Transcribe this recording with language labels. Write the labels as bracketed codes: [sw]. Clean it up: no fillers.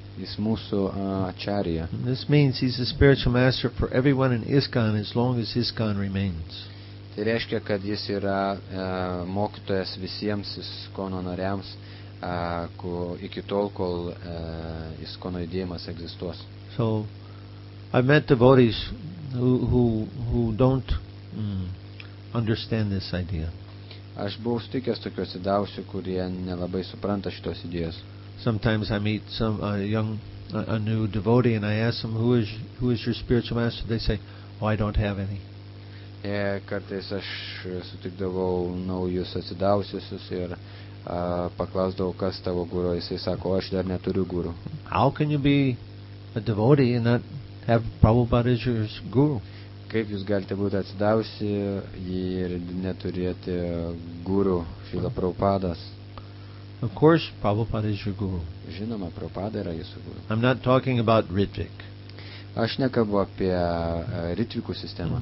[lt] Jis mūsų acharya. [en] This means he's a spiritual master for everyone in ISKCON as long as ISKCON remains. [lt] Tai reiškia, kad jis yra mokytojas visiems ISKCONo nariams iki tol, kol ISKCONo judėjimas egzistuos. [en] So, I've met devotees who don't understand this idea. [lt] Aš buvau sutikęs tokių atsidavusių, kurie nelabai supranta šitos idėjos. [en] Sometimes I meet a new devotee and I ask them, who is your spiritual master? They say, oh, I don't have any. [lt] Kartais aš sutikdavau naujus atsidavusius ir paklausdavau, kas tavo guru. Jisai sako, aš dar neturiu guru. [en] How can you be a devotee and not have Prabhupada as your guru? [lt] Kaip jūs galite būti atsidavusi ir neturėti guru, Šrila Prabhupadas? [en] Of course, Prabhupada is your guru. [lt] Žinoma, Prabhupada yra jūsų guru. [en] I'm not talking about Ritvik. [lt] Aš nekalbu apie Ritvikų sistemą.